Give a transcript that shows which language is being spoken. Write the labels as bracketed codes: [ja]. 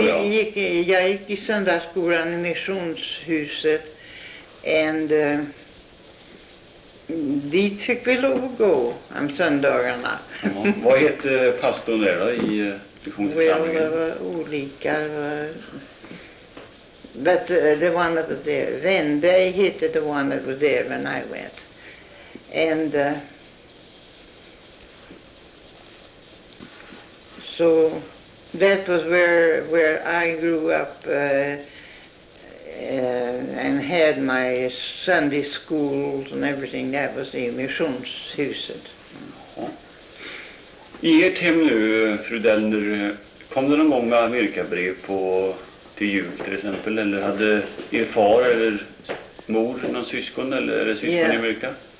[sv] ja? Jag gick i söndagsskolan i missionshuset. [en] And, [sv] dit fick vi lov att gå om söndagarna. Ja, vad hette pastorn där då i missionsförsamlingen? Det var olika. [en] But the one that was there, then they hit the one that was there when I went. And so that was where I grew up and had my Sunday schools and everything. That was the missionshuset. [sv] I ert hem nu, fru Delner, kom det någon gång amerikabrev på till jul till exempel, eller hade er far eller mor någon syskon, eller är det syskon i Amerika?